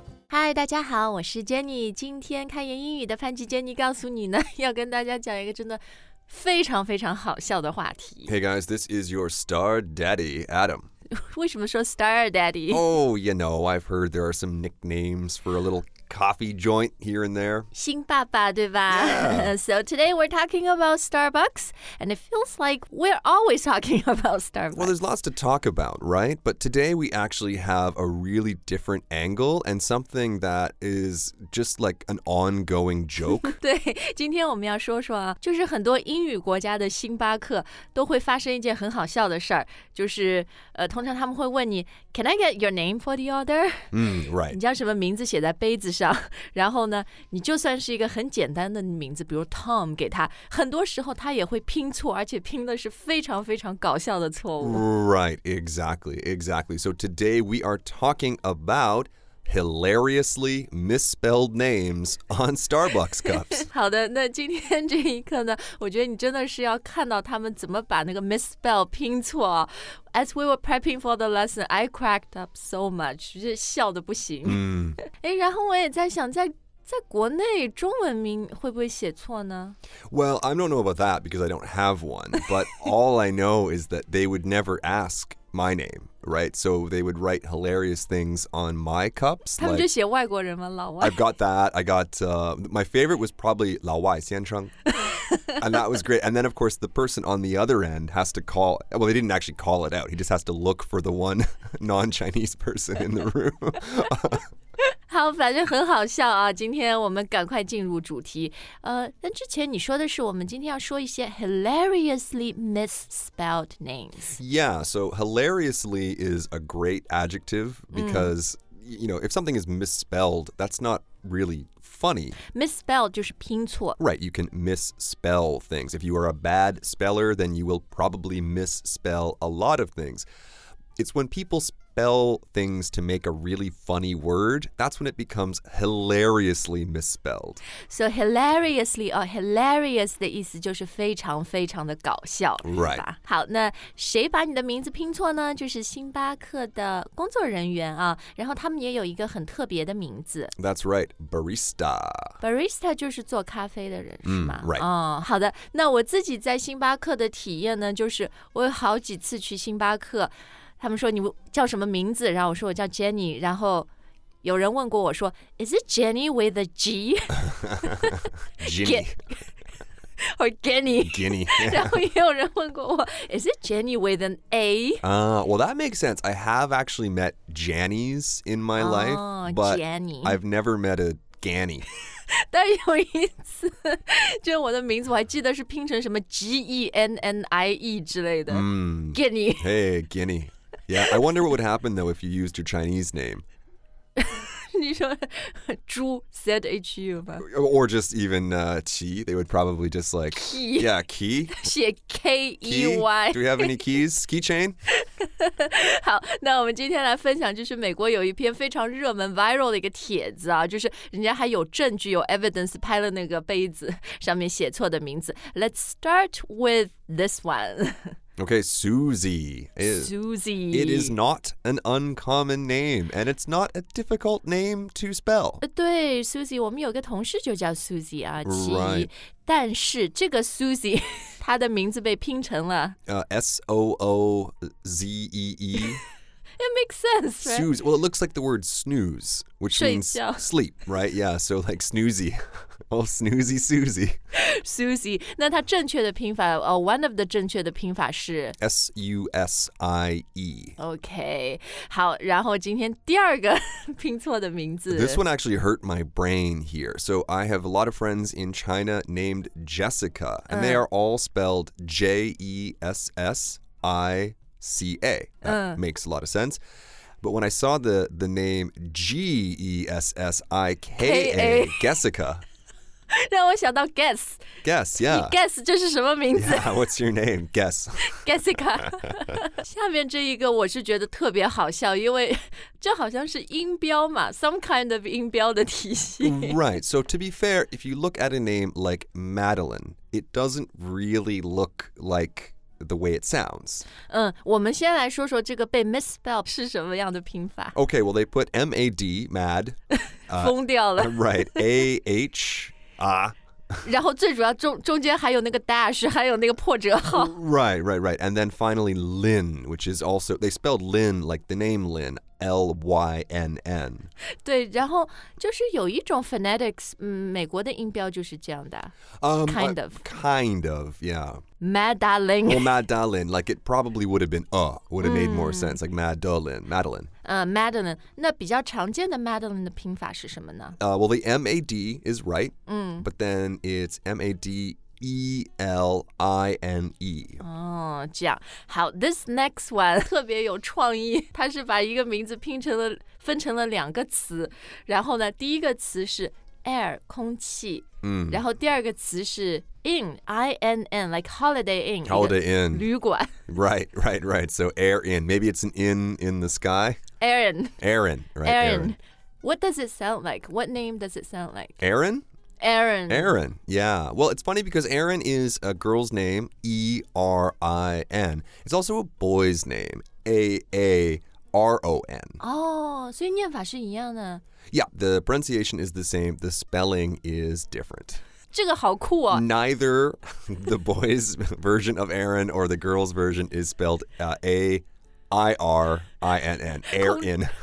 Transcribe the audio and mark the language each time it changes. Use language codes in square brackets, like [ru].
[zh] 嗨，大家好，我是 Jenny。今天开言英语的潘吉 Jenny 告诉你呢，要跟大家讲一个真的非常非常好笑的话题。 [en] Hey guys, this is your star daddy, Adam. [zh] 为什么说 star daddy? [en] Oh, you know, I've heard there are some nicknames for a little coffee joint here and there. [zh] 新爸爸对吧、 [en] yeah. So today we're talking about Starbucks, and it feels like we're always talking about Starbucks. Well, there's lots to talk about, right? But today we actually have a really different angle and something that is just like an ongoing joke. [zh] 对，今天我们要说说啊，就是很多英语国家的星巴克都会发生一件很好笑的事儿，就是通常他们会问你 [en] Can I get your name for the order? Right. [zh] 你将什么名字写在杯子然后呢你就算是一个很简单的名字比如 Tom 给他很多时候他也会拼错而且拼的是非常非常搞笑的错误 [en] Right, exactly, exactly So today we are talking about hilariously misspelled names on Starbucks cups [zh] 好的那今天这一刻呢我觉得你真的是要看到他们怎么把那个 misspell 拼错 [en] As we were prepping for the lesson, I cracked up so much. [zh] 就是笑得不行。哎，然后我也在想，在国内中文名会不会写错呢？ [en] Well, I don't know about that because I don't have one. But all I know is that they would never ask my name, right? So they would write hilarious things on my cups. [zh] 他们就写外国人吗？老外。 [en] I've got that. I got, my favorite was probably [zh] 老外先生。 [en] And that was great. And then, of course, the person on the other end has to call. Well, they didn't actually call it out. He just has to look for the one non-Chinese person in the room. [zh] 好，反正很好笑啊。今天我们赶快进入主题。那之前你说的是我们今天要说一些 [en] hilariously misspelled names. Yeah, so hilariously is a great adjective because, you know, if something is misspelled, that's not really... funny. [zh] Misspell 就是拼错。 [en] Right, you can misspell things. If you are a bad speller, then you will probably misspell a lot of things. It's when people spell things to make a really funny word, that's when it becomes hilariously misspelled. So hilariously or hilarious [zh] 的意思就是非常非常的搞笑。 [en] Right. [zh] 好，那谁把你的名字拼错呢？就是星巴克的工作人员啊，然后他们也有一个很特别的名字。 [en] That's right, barista. [zh] Barista 就是做咖啡的人，是吗？ [en] Right. [zh] 哦，好的。那我自己在星巴克的体验呢，就是我有好几次去星巴克他们说你叫什么名字然后我说我叫 Jenny 然后有人问过我说 [en] Is it Jenny with a G? Jenny Or Jenny Jenny [zh] 然后也有人问过我 [en] Is it Jenny with an A? Well that makes sense I have actually met Jannies in my life But、 Jenny. I've never met a Ganny [zh] 但有一次就我的名字我还记得是拼成什么 G-E-N-N-I-E 之类的、Ganny [en] Hey Ganny Yeah, I wonder what would happen though if you used your Chinese name. [zh] 你说猪 Z-H-U 吧 [en] Or just even 奇 they would probably just like, key. yeah, key. [zh] 写 K-E-Y. [en] Key? Do we have any keys? Keychain? [zh] 好那我们今天来分享就是美国有一篇非常热门 viral 的一个帖子啊就是人家还有证据有 evidence 拍了那个杯子上面写错的名字。 [en] Let's start with this one. Okay, Susie. Susie. It is not an uncommon name, and it's not a difficult name to spell. [zh] 对 Susie, 我们有个同事就叫 Susie 啊。 [en] Right. [zh] 但是这个 Susie, 她的名字被拼成了。 [en] S-O-O-Z-E-E. It makes sense, right? Susie. Well, it looks like the word snooze, which means sleep, right? Yeah, so like snoozy. Oh, snoozy Susie. Susie. [zh] 那它正确的拼法、 [en] one of the [zh] 正确的拼法是 [en] S-U-S-I-E. Okay. [zh] 好然后今天第二个拼错的名字 [en] This one actually hurt my brain here. So I have a lot of friends in China named Jessica, and they are all spelled J-E-S-S-I-E. C-A. That makes a lot of sense. But when I saw the name G-E-S-S-I-K-A, Gessica. [zh] 让我想到 Guess. [en] Guess, yeah. [zh] Guess 就是什么名字 [en] Yeah, what's your name? Guess. Gessica. [zh] 下面这一个我是觉得特别好笑因为这好像是音标嘛 [en] some kind of [zh] 音标的体系 [en] Right, so to be fair, if you look at a name like Madeline, it doesn't really look like... the way it sounds. [zh] 我们先来说说这个被 misspelled 是什么样的拼法。 [en] Okay, well, they put M-A-D, mad. [zh] 疯掉了。 [en] Right, A-H, ah. [zh] 然后最主要中间还有那个 dash, 还有那个破折号。 [en] Right, right, right. And then finally, Lynn, which is also, they spelled Lynn like the name Lynn, L-Y-N-N. [zh] 对，然后就是有一种 phonetics, 美国的音标就是这样的。 [en] Kind of. Kind of, yeah. Madeline. Well, Madeline, like it probably would have been, would have made more sense, like Madeline, Madeline. [zh] Madeline, 那比较常见的 Madeline 的拼法是什么呢？ [en] Well, the M-A-D is right, but then it's M-A-D-E-L-I-N-E. [zh] 哦，这样。好， [en] this next one [zh] 特别有创意，它是把一个名字分成了两个词，然后呢，第一个词是 air, 空气，然后第二个词是 inn, I-N-N, [en] like Holiday Inn. Holiday Inn. [zh] 旅馆。 [en] Right, right, right. So air inn. Maybe it's an inn in the sky? Aaron. What does it sound like? What name does it sound like? Aaron. Yeah. Well, it's funny because Aaron is a girl's name, E-R-I-N. It's also a boy's name, A-A-R-O-N. Oh, so [zh] 念法是一样的。 [en] Yeah, the pronunciation is the same. The spelling is different. [zh] 这个好酷哦。 [en] Neither the boy's version of Aaron or the girl's version is spelled A-I-R-I-N-N, air in.